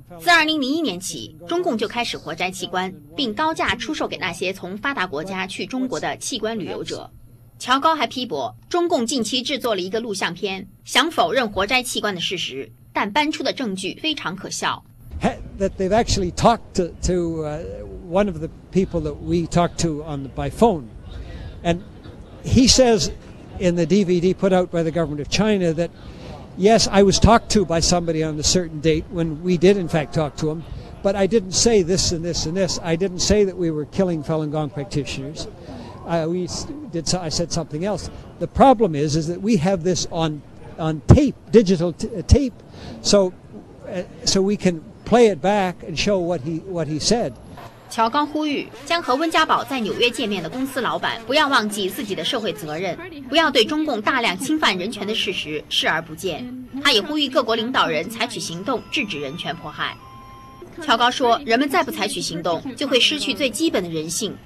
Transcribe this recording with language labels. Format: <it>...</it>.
<zh>自2001年起，中共就开始活摘器官，并高价出售给那些从发达国家去中国的器官旅游者。乔高还批驳，中共近期制作了一个录像片，想否认活摘器官的事实，但搬出的证据非常可笑。</zh> <en>That they've actually talked to one of the people that we talked to on the, by phone, and he says in the DVD put out by the government of China that yes, I was talked to by somebody on a certain date when we did in fact talk to him, but I didn't say this and this and this. I didn't say that we were killing Falun Gong practitioners. I said something else. The problem is that we have this on tape, digital tape, so we can. Play it back and show what he said.</en> <zh>乔高呼吁将和温家宝在纽约见面的公司老板不要忘记自己的社会责任，不要对中共大量侵犯人权的事实视而不见。他也呼吁各国领导人采取行动制止人权迫害。乔高说，人们再不采取行动，就会失去最基本的人性。</zh>